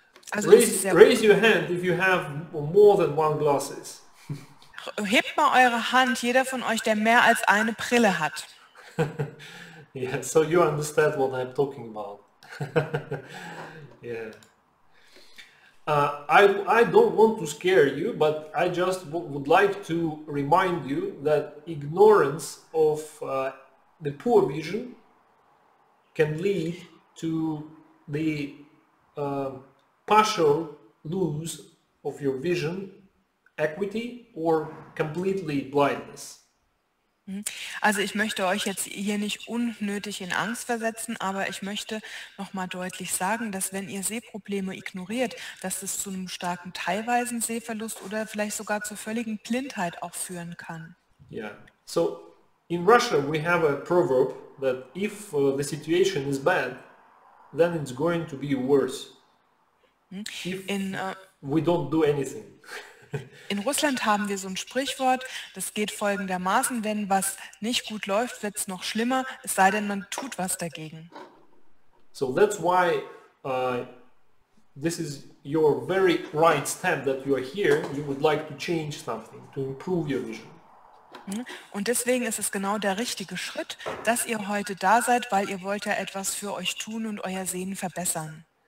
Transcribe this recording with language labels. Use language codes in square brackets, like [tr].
[en] Also raise your hand if you have more than one glasses. [de] Hebt mal eure Hand, jeder von euch, der mehr als eine Brille hat. [en] Yeah, so you understand what I'm talking about. Yeah. I don't want to scare you, but I just would like to remind you that ignorance of the poor vision can lead to the partial lose of your vision. Equity or completely blindness. [de] Also ich möchte euch jetzt hier nicht unnötig in Angst versetzen, aber ich möchte noch mal deutlich sagen, dass wenn ihr Sehprobleme ignoriert, dass es zu einem starken teilweisen Sehverlust oder vielleicht sogar zur völligen Blindheit auch führen kann. [en] Yeah. So In Russia we have a proverb that if the situation is bad, then it's going to be worse. If we don't do anything. [de] In Russland haben wir so ein Sprichwort, das geht folgendermaßen, wenn was nicht gut läuft, wird es noch schlimmer, es sei denn, man tut was dagegen. [en] So that's why this is your very right step that you are here, you would like to change something, to improve your vision. [de] Und deswegen ist es genau der richtige Schritt, dass ihr heute da seid, weil ihr wollt ja etwas für euch tun und euer Sehen verbessern.